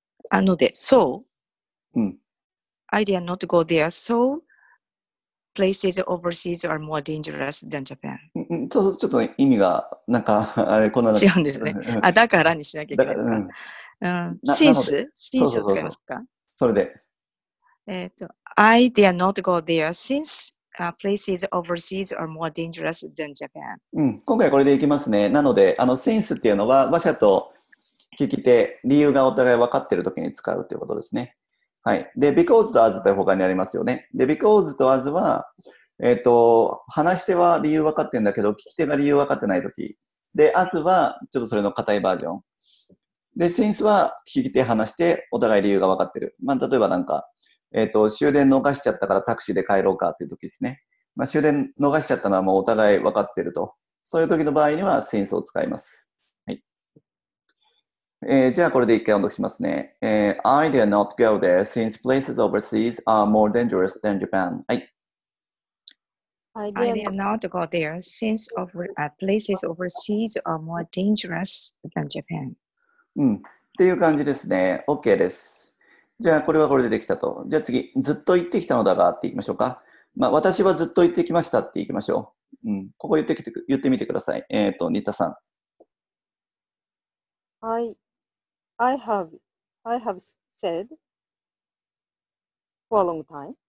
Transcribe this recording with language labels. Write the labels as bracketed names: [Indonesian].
[Japanese] あので、so. うん。 [English] I dare not go there. So. Places overseas are more dangerous than Japan. [Japanese] ちょっと意味がなんかあれこんな違うんですね。あ、だからにしなきゃいけないか。うん。 Since を使いますか。それで。 [English] I dare not go there since places overseas are more dangerous than Japan. [Japanese] うん。今回これでいきますね。なので、since っていうのは話者と聞き手、理由がお互い分かっているときに使うということですね。はい。で、because と as って他にありますよね。で、because と as は、話し手は理由分かってんだけど、聞き手が理由分かってないとき。で、as は、ちょっとそれの硬いバージョン。で、since は、聞き手話して、お互い理由が分かってる。まあ、例えばなんか、終電逃しちゃったからタクシーで帰ろうかっていうときですね。まあ、終電逃しちゃったのはもうお互い分かってると。そういうときの場合には、since を使います。じゃあこれで一回音読しますね。 [English] I did not go there since places overseas are more dangerous than Japan. [Japanese] はい。 [English] I did not go there since places overseas are more dangerous than Japan. [Japanese] うん。っていう感じですね。OK です。じゃあこれはこれでできたと。じゃあ次、ずっと行ってきたのだがっていきましょうか。まあ私はずっと行ってきましたっていきましょう。うん。ここ言ってきて、言ってみてください。新田さん。 [English] はい。I have said for a long time.